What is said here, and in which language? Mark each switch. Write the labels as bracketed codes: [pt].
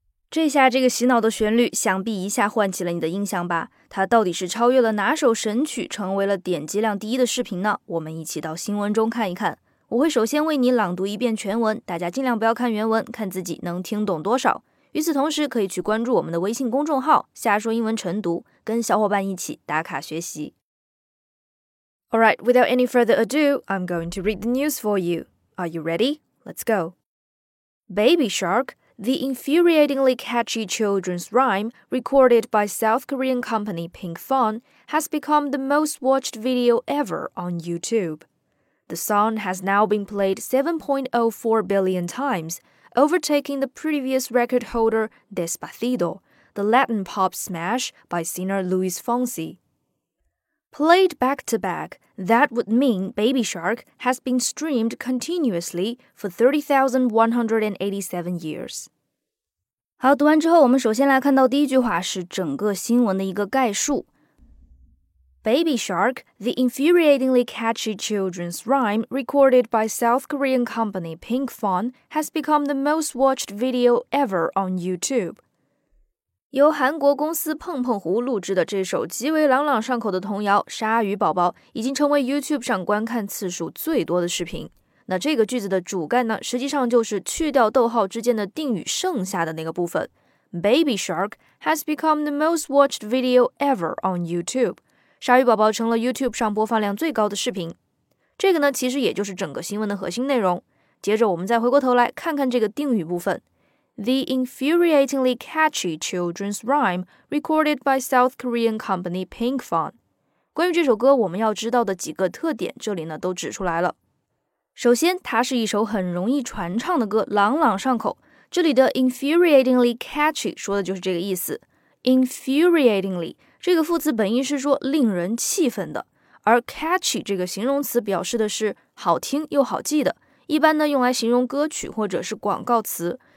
[zh] 这下这个洗脑的旋律想必一下唤起了你的印象吧，它到底是超越了哪首神曲成为了点击量第一的视频呢？我们一起到新闻中看一看。我会首先为你朗读一遍全文，大家尽量不要看原文，看自己能听懂多少。与此同时可以去关注我们的微信公众号瞎说英文晨读，跟小伙伴一起打卡学习。 [en] Alright, without any further ado, I'm going to read the news for you. Are you ready? Let's go. Baby Shark,The infuriatingly catchy children's rhyme, recorded by South Korean company Pinkfong, has become the most watched video ever on YouTube. The song has now been played 7.04 billion times, overtaking the previous record holder Despacito, the Latin pop smash by singer Luis Fonsi. Played back-to-back, that would mean Baby Shark has been streamed continuously for 30,187 years. [zh] 好，读完之后我们首先来看到第一句话是整个新闻的一个概述。 [en] Baby Shark, the infuriatingly catchy children's rhyme recorded by South Korean company Pinkfong has become the most watched video ever on YouTube. [zh] 由韩国公司碰碰狐录制的这首极为朗朗上口的童谣《鲨鱼宝宝》已经成为 YouTube 上观看次数最多的视频。那这个句子的主干呢，实际上就是去掉逗号之间的定语剩下的那个部分。 [en] Baby Shark has become the most watched video ever on YouTube. [zh] 鲨鱼宝宝成了 YouTube 上播放量最高的视频。这个呢，其实也就是整个新闻的核心内容。接着我们再回过头来看看这个定语部分。 [en] The infuriatingly catchy children's rhyme recorded by South Korean company Pinkfong. [zh] 关于这首歌我们要知道的几个特点，这里呢都指出来了。首先它是一首很容易传唱的歌，朗朗上口。这里的 infuriatingly catchy 说的就是这个意思。 infuriatingly 这个副词本意是说令人气愤的，而 catchy 这个形容词表示的是好听又好记的，一般呢用来形容歌曲或者是广告词。